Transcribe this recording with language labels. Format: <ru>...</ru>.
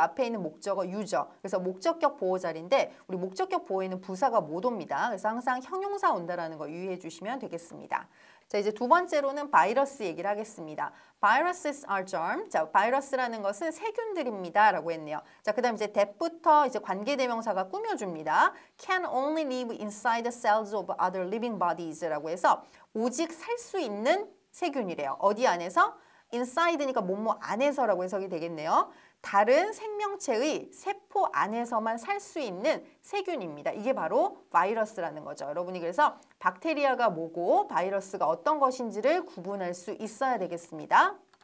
<ko>앞에 있는 목적어 유저. 그래서 목적격 보호 자리인데 우리 목적격 보호에는 부사가 못 옵니다. 그래서 항상 형용사 온다라는 거 유의해 주시면 되겠습니다. 자, 이제 두 번째로는 바이러스 얘기를 하겠습니다.</ko> <en>Viruses are germs.</en> <ko>자, 바이러스라는 것은 세균들입니다. 라고 했네요. 자, 그 다음 이제 that부터 이제 관계대명사가 꾸며줍니다.</ko> <en>Can only live inside the cells of other living bodies.</en> <ko>라고 해서 오직 살 수 있는 세균이래요. 어디 안에서? inside니까 몸무 안에서 라고 해석이 되겠네요. 다른 생명체의 세포 안에서만 살 수 있는 세균입니다. 이게 바로 바이러스라는 거죠. 여러분이 그래서 박테리아가 뭐고 바이러스가 어떤 것인지를 구분할 수 있어야 되겠습니다.</ko>